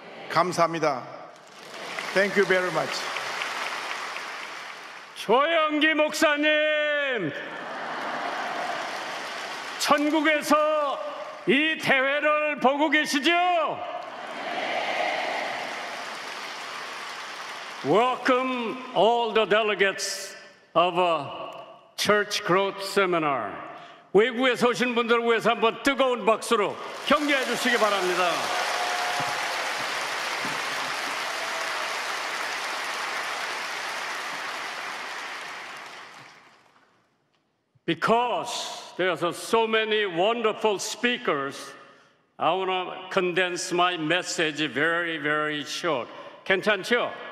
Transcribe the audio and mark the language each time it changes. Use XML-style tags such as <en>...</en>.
<ko>감사합니다.</ko> <en>Thank you very much.</en> <ko>조영기 목사님, 천국에서 이 대회를 보고 계시죠?</ko> <en>Welcome all the delegates of a church growth seminar.</en> <ko>외국에서 오신 분들을 위해서 한번 뜨거운 박수로 격려해 주시기 바랍니다.</ko> <en>'Because there are so many wonderful speakers, I want to condense my message very, very short.</en> <ko>괜찮죠?</ko>